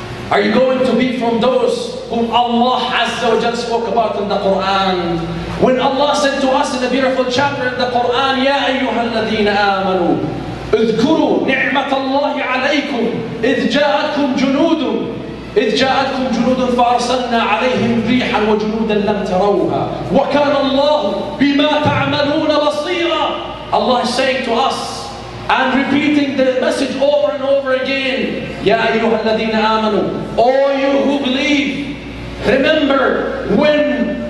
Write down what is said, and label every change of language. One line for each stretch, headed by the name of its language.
English: Are you going to be from those whom Allah
Arabic: Azza wa Jalla
English: spoke about in the Quran? When Allah said to us in the beautiful chapter in the Quran,
Arabic: يَا أَيُّهَا الَّذِينَ آمَنُوا اذكروا نعمة الله عليكم إذ جاءتكم جنود إذ جاءتكم جنود فأرسلنا عليهم ريحا وجنودا لم تروها وكان الله بما تعملون بصيرا.
English: Allah is saying to us and repeating the message over and over again,
Arabic: يا أيها الذين آمنوا,
English: all you who believe, remember when